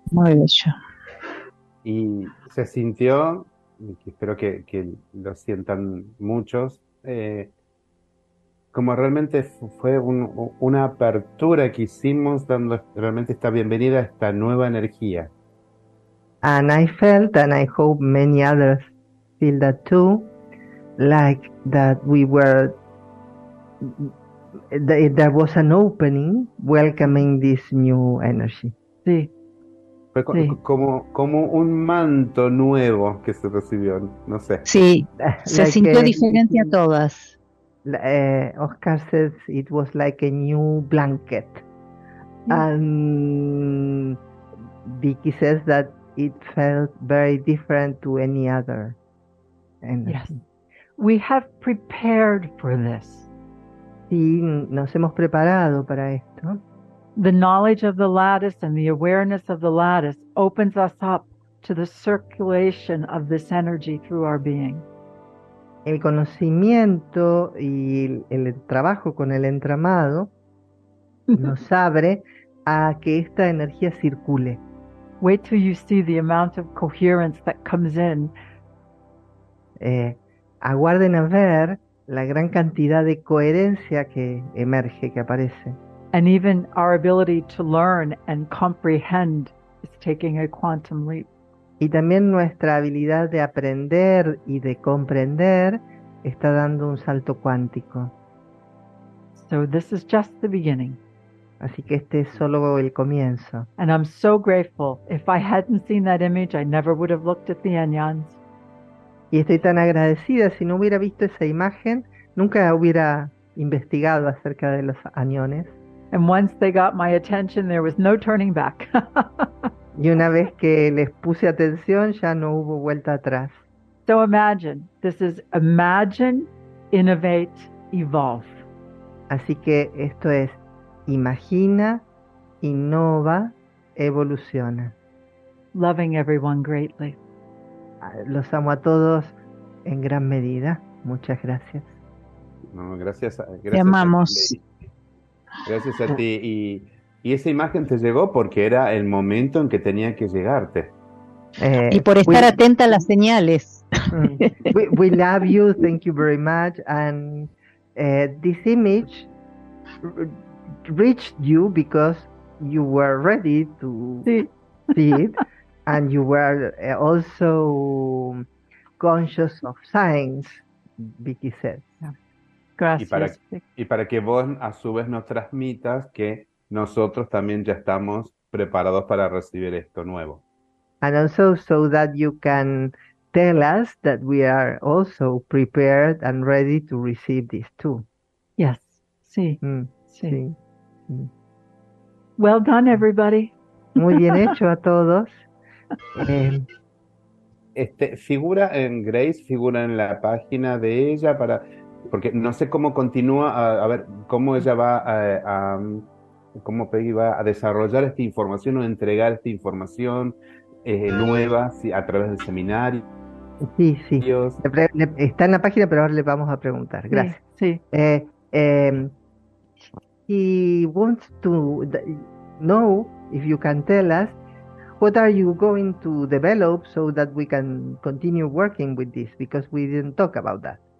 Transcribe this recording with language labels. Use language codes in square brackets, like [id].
[es] Muy bello. Y se sintió, espero que lo sientan muchos, como realmente fue una apertura que hicimos dando realmente esta bienvenida a esta nueva energía. [en] And I felt, and I hope many others feel that too, like that we were, there was an opening welcoming this new energy. [es] Sí. Fue sí. Como un manto nuevo que se recibió, no sé. Sí, se like sintió diferente a todas. [en] Oscar says it was like a new blanket. Mm. And Vicky says that it felt very different to any other energy. Yes. We have prepared for this. [es] Sí, nos hemos preparado para esto. [en] The knowledge of the lattice and the awareness of the lattice opens us up to the circulation of this energy through our being. [es] El conocimiento y el trabajo con el entramado nos abre a que esta energía circule. [en] Wait till you see the amount of coherence that comes in. [es] Aguarden a ver la gran cantidad de coherencia que emerge, que aparece. [en] And even our ability to learn and comprehend is taking a quantum leap. [es] Y también nuestra habilidad de aprender y de comprender está dando un salto cuántico. [en] So this is just the beginning. [es] Así que este es solo el comienzo. [en] And I'm so grateful. If I hadn't seen that image, I never would have looked at the Anyans. [es] Y estoy tan agradecida. Si no hubiera visto esa imagen, nunca hubiera investigado acerca de los Anyones. [en] And once they got my attention, there was no turning back. [es] Y una vez que les puse atención, ya no hubo vuelta atrás. [en] So imagine. This is imagine, innovate, evolve. [es] Así que esto es. Imagina, innova, evoluciona. [en] Loving everyone greatly. [es] Los amo a todos en gran medida. Muchas gracias. No, gracias. Gracias. Te amamos. Gracias a ti. Y esa imagen te llegó porque era el momento en que tenía que llegarte. Y por estar atenta a las señales. [en] We love you. Thank you very much. And this image reached you because you were ready to see it, and you were also conscious of signs, Vicky said. [es] Gracias. Y para que vos a su vez nos transmitas que nosotros también ya estamos preparados para recibir esto nuevo. [en] And also so that you can tell us that we are also prepared and ready to receive this too. Yes. [es] Sí. Sí. Sí. [en] Well done, everybody. [es] Muy bien hecho a todos. Figura en Grace, figura en la página de ella para... Porque no sé cómo continúa, a ver, cómo ella va a cómo Peggy va a desarrollar esta información o entregar esta información nueva a través del seminario. Sí, sí. Dios. Está en la página, pero ahora le vamos a preguntar. Gracias. Sí. [en] He wants to know if you can tell us what are you going to develop so that we can continue working with this, because we didn't talk about that.